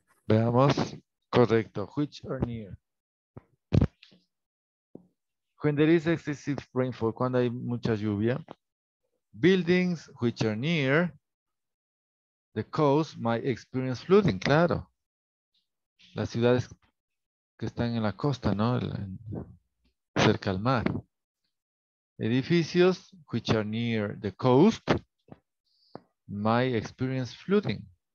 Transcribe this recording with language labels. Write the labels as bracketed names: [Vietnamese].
[Spanish] Veamos. Correcto. [English] Which are near. When there is excessive rainfall, [Spanish] cuando hay mucha lluvia, [English] buildings which are near the coast might experience flooding, claro. [Spanish] Las ciudades que están en la costa, ¿no? Cerca al mar. [English] Edificios which are near the coast might experience flooding.